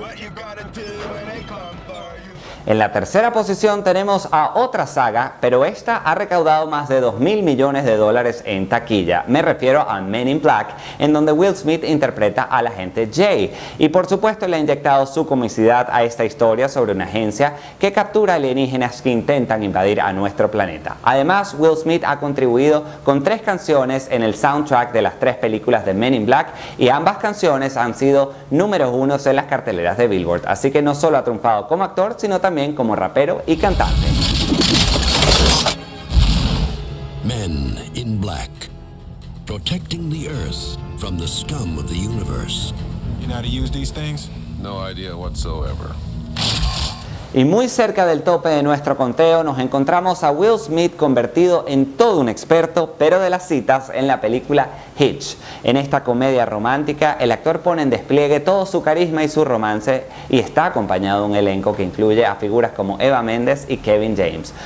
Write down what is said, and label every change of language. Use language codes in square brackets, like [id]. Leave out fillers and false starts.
[en] What you gonna do when they come for you? [es] En la tercera posición tenemos a otra saga, pero esta ha recaudado más de 2.000 millones de dólares en taquilla. Me refiero a Men in Black, en donde Will Smith interpreta al agente Jay. Y por supuesto le ha inyectado su comicidad a esta historia sobre una agencia que captura alienígenas que intentan invadir a nuestro planeta. Además, Will Smith ha contribuido con 3 canciones en el soundtrack de las 3 películas de Men in Black y ambas canciones han sido número 1 en las carteleras de Billboard. Así que no solo ha triunfado como actor, sino también como rapero y cantante. [en] Men in Black, protecting the earth from the scum of the universe. You know how to use these things? No idea whatsoever. [es] Y muy cerca del tope de nuestro conteo nos encontramos a Will Smith convertido en todo un experto, pero de las citas, en la película Hitch. En esta comedia romántica, el actor pone en despliegue todo su carisma y su romance y está acompañado de un elenco que incluye a figuras como Eva Méndez y Kevin James.